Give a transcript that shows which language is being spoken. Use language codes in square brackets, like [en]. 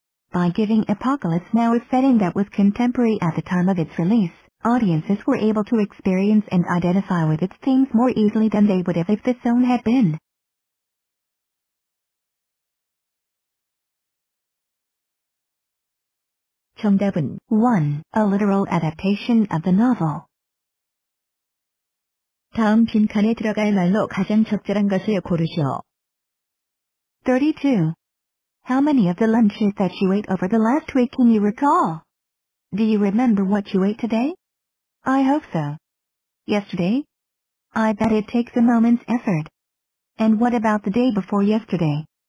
[en] By giving Apocalypse Now a setting that was contemporary at the time of its release, audiences were able to experience and identify with its themes more easily than they would have if the film had been. [ko] 정답은 1. [en] A literal adaptation of the novel. [ko] 다음 빈칸에 들어갈 말로 가장 적절한 것을 고르시오. 32. [en] How many of the lunches that you ate over the last week can you recall? Do you remember what you ate today? I hope so. Yesterday? I bet it takes a moment's effort. And what about the day before yesterday?